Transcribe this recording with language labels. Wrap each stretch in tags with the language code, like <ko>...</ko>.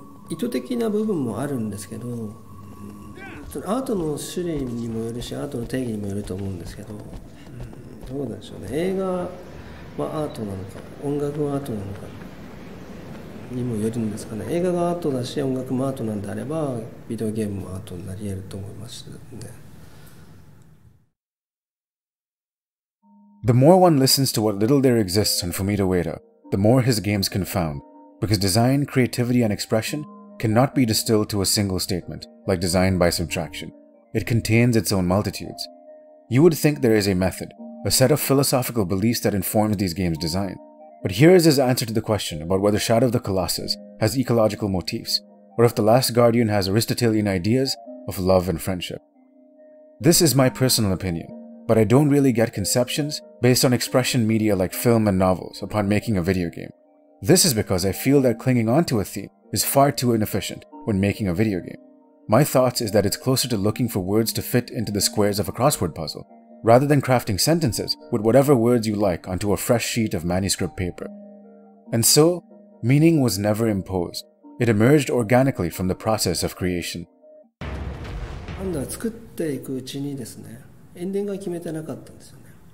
<ja>意図的な部分もあるんですけど、アートの種類にもよるしアートの定義にもよると思うんですけど、どうでしょうね、映画はアートなのか音楽はアートなのかにもよるんですかね。映画がアートだし音楽もアートなんであればビデオゲームもアートになり得ると思いますね。</ja> <en>The more one listens to what little there exists on Fumito Ueda, the more his games confound, because design, creativity, and expression cannot be distilled to a single statement, like design by subtraction. It contains its own multitudes. You would think there is a method, a set of philosophical beliefs that informs these games' design. But here is his answer to the question about whether Shadow of the Colossus has ecological motifs, or if The Last Guardian has Aristotelian ideas of love and friendship. This is my personal opinion, but I don't really get conceptions based on expression media like film and novels upon making a video game. This is because I feel that clinging onto a theme is far too inefficient when making a video game. My thoughts is that it's closer to looking for words to fit into the squares of a crossword puzzle, rather than crafting sentences with whatever words you like onto a fresh sheet of manuscript paper. And so, meaning was never imposed. It emerged organically from the process of creation.</en> <ja>エンディングは決めてなかったんですよね。</ja>